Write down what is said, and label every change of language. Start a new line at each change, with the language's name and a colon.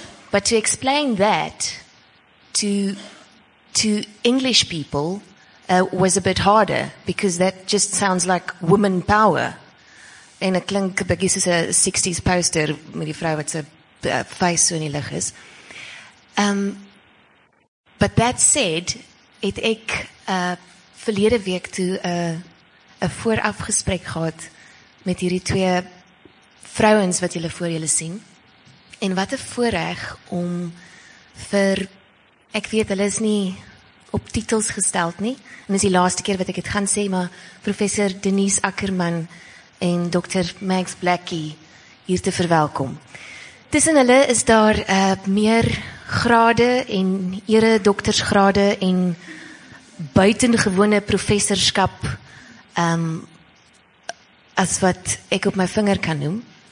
English: But to explain that to English people was a bit harder, because that just sounds like woman power.
Afrikaans: En het klink een bykie soos 'n 60s poster met die vrou wat sy face so in die lig is.
English: But that said,
Afrikaans: het ek verlede week toe een voorafgesprek gehad met hierdie twee vrouens wat julle voor julle sien. En wat 'n voorreg om vir, ek weet hulle is nie op titels gesteld nie, en is die laaste keer wat ek het gaan sê, maar professor Denise Ackerman en Dr. Max Blackie hier te verwelkom. Tussen hulle is daar meer grade en ere doktersgrade en buitengewone professorskap as wat ek op my vinger kan noem.